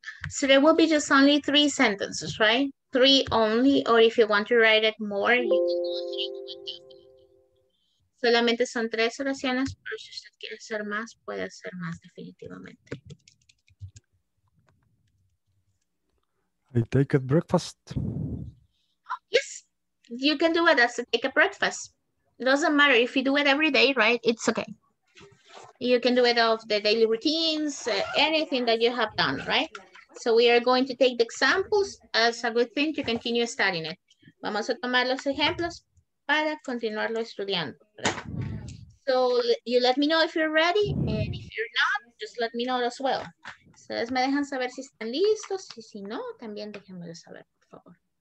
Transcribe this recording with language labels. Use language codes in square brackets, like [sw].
[en] So there will be just only 3 sentences, right? 3 only, or if you want to write it more, you can do 3. [es] Solamente son 3 oraciones, pero si usted quiere hacer más, puede hacer más definitivamente. [en] I take a breakfast. Yes, you can do it as a take a breakfast. It doesn't matter if you do it every day, right? It's okay. You can do it off the daily routines, anything that you have done, right? So we are going to take the examples as a good thing to continue studying it. [es] Vamos a tomar los ejemplos para continuarlo estudiando, right? [en] So you let me know if you're ready, and if you're not, just let me know as well. [es] Ustedes me dejan saber si están listos, y si no, también déjenmelo saber, por favor.